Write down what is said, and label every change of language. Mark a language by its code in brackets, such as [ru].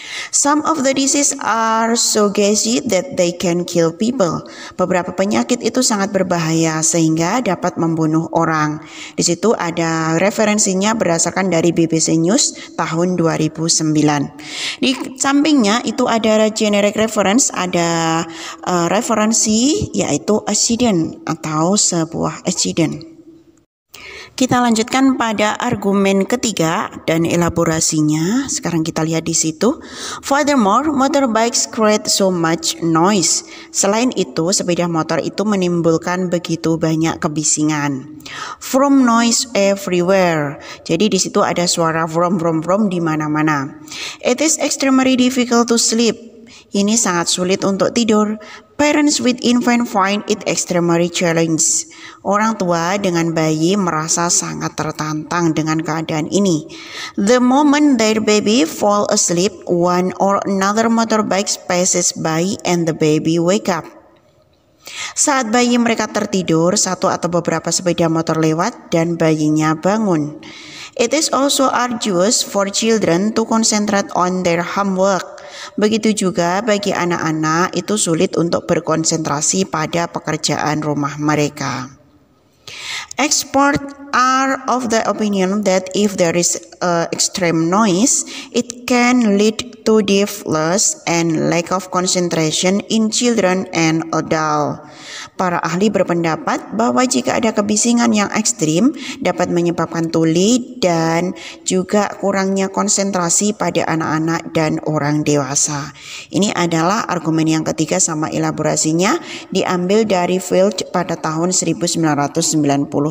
[en] Some of the diseases are so gassy that they can kill people. [id] Beberapa penyakit itu sangat berbahaya sehingga dapat membunuh orang. Di situ ada referensinya berdasarkan dari BBC News tahun 2009. Di sampingnya itu ada generic reference, ada referensi yaitu accident atau sebuah accident. Kita lanjutkan pada argumen ketiga dan elaborasinya. Sekarang kita lihat di situ. [en] Furthermore, motorbikes create so much noise. [id] Selain itu, sepeda motor itu menimbulkan begitu banyak kebisingan. [en] From noise everywhere. [id] Jadi di situ ada suara vroom-vroom-vroom di mana-mana. [en] It is extremely difficult to sleep. [id] Ini sangat sulit untuk tidur. [en] Parents with infant find it extremely challenging. [id] Orang tua dengan bayi merasa sangat tertantang dengan keadaan ini. [en] The moment their baby fall asleep, one or another motorbike passes by and the baby wake up. [id] Saat bayi mereka tertidur, satu atau beberapa sepeda motor lewat dan bayinya bangun. [en] It is also arduous for children to concentrate on their homework. [id] Begitu juga bagi anak-anak itu sulit untuk berkonsentrasi pada pekerjaan rumah mereka. [en] Experts are of the opinion that if there is extreme noise, it can lead to deaf loss and lack of concentration in children and adults. [id] Para ahli berpendapat bahwa jika ada kebisingan yang ekstrim dapat menyebabkan tuli dan juga kurangnya konsentrasi pada anak-anak dan orang dewasa. Ini adalah argumen yang ketiga sama elaborasinya diambil dari Field pada tahun 1993.